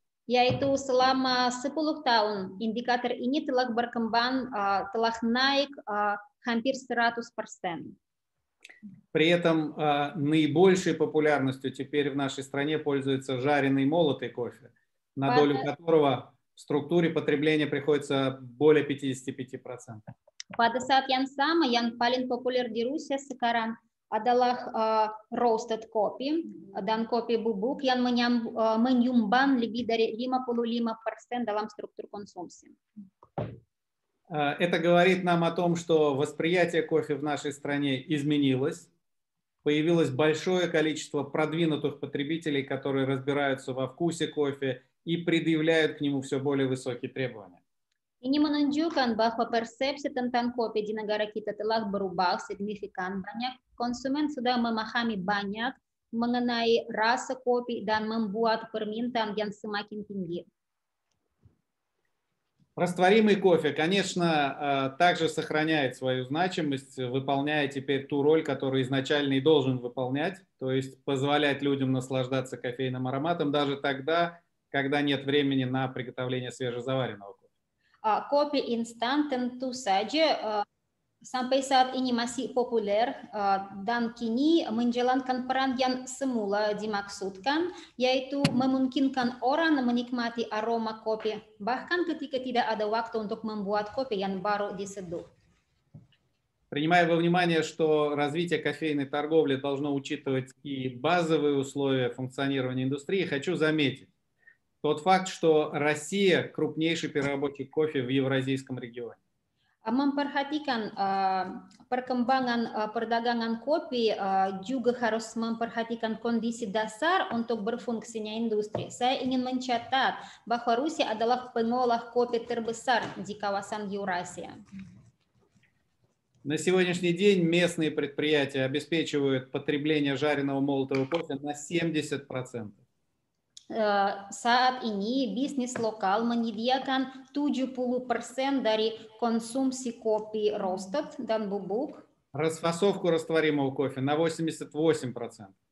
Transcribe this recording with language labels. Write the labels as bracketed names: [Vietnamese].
[Indonesian] Yaitu selama 10 tahun, indikator ini telah berkembang, telah naik hampir 100%. [Russian] При этом наибольшей популярностью теперь в нашей стране пользуется жареный молотый кофе, на долю которого в структуре потребления приходится более 55%. [Indonesian] Pada saat yang sama, yang paling populer di Rusia sekarang adalah roasted coffee dan kopi bubuk yang menyumbang lebih dari 55% dalam struktur konsumsi. [Russian] Это говорит нам о том, что восприятие кофе в нашей стране изменилось. Появилось большое количество продвинутых потребителей, которые разбираются во вкусе кофе и предъявляют к нему все более высокие требования. [Indonesian] Ini menunjukkan bahwa persepsi tentang kopi di negara kita telah berubah signifikan. Banyak konsumen sudah memahami banyak mengenai rasa kopi dan membuat permintaan yang semakin tinggi. [Russian] Растворимый кофе, конечно, также сохраняет свою значимость, выполняя теперь ту роль, которую изначально и должен выполнять, то есть позволять людям наслаждаться кофейным ароматом даже тогда, когда нет времени на приготовление свежезаваренного кофе. [Indonesian] Kopi instan tentu saja sampai saat ini masih populer dan kini menjalankan peran yang semula dimaksudkan, yaitu memungkinkan orang menikmati aroma kopi bahkan ketika tidak ada waktu untuk membuat kopi yang baru diseduh. [Russian] Принимая во внимание, что развитие кофейной торговли должно учитывать и базовые условия функционирования индустрии, хочу заметить, тот факт, что Россия – крупнейший переработчик кофе в Евразийском регионе. [Indonesian] Memperhatikan perkembangan perdagangan kopi juga harus memperhatikan kondisi dasar untuk berfungsinya industri. Saya ingin mencatat bahwa Rusia adalah pengolah kopi terbesar di kawasan Eurasia. [Russian] На сегодняшний день местные предприятия обеспечивают потребление жареного молотого кофе на 70%. [Indonesian] Saat ini bisnis lokal menyediakan 70% dari konsumsi kopi roasted dan bubuk. [Russian] Расфасовку растворимого кофе на 88%.